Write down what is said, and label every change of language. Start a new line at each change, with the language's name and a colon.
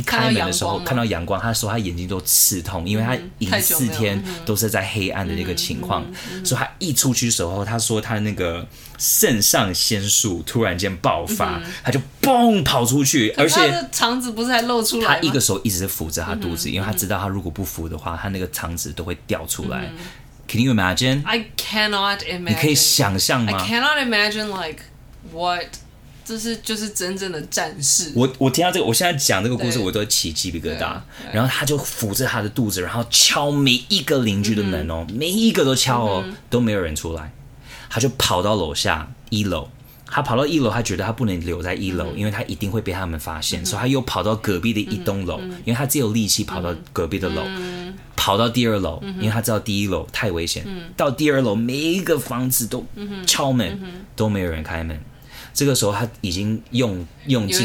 Chinese: 门的时候看到阳光，他说他眼睛都刺痛，因为他已经四天都是在黑暗的那个情况、嗯、所以他一出去的时候他说他那个肾上腺素突然间爆发、嗯、他就砰跑出去，而且他的肠子不是还露出来吗？他一个手一直扶着他肚子、嗯、因为他知道他如果不扶的话、嗯、他那个肠子都会掉出来、嗯、
English: Can you imagine? I cannot imagine.
Chinese: 你可以想象吗？
English: I cannot imagine like what
Chinese: 这是就是真正的战士。我听到这个，我现在讲这个故事我都起鸡皮疙瘩，然后他就扶着他的肚子，然后敲每一个邻居的门哦、嗯、每一个都敲哦、嗯、都没有人出来，他就跑到楼下一楼，他跑到一楼，他觉得他不能留在一楼、嗯、因为他一定会被他们发现、嗯、所以他又跑到隔壁的一栋楼、嗯嗯、因为他只有力气跑到隔壁的楼、嗯、跑到第二楼、嗯、因为他知道第一楼太危险、嗯、到第二楼每一个房子都敲门、嗯、都没有人开门，这个时候他已经用尽